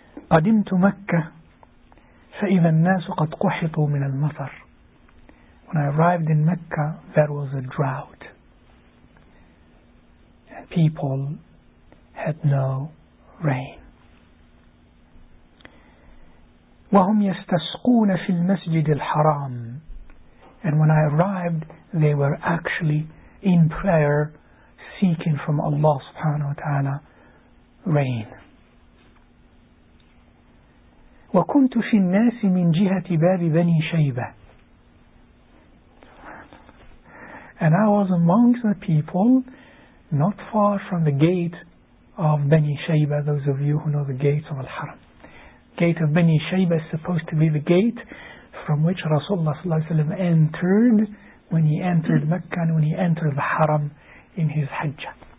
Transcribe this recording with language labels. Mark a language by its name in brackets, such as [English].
[Arabic] قدمت مكة فإذا الناس قد قحطوا من المطر. [English] When I arrived in Mecca, there was a drought. And people had no rain. [Arabic] وهم يستسقون في المسجد الحرام. [English] And when I arrived, they were actually in prayer, seeking from Allah subhanahu wa ta'ala rain. [Arabic] وكنت في الناس من جهة باب بني شيبة. [English] And I was amongst the people not far from the gate of Bani Shayba. Those of you who know the gates of Al-Haram. Gate of Bani Shayba is supposed to be the gate from which Rasulullah sallallahu alayhi wa sallam entered when he entered Mecca and when he entered the Haram in his Hajjah.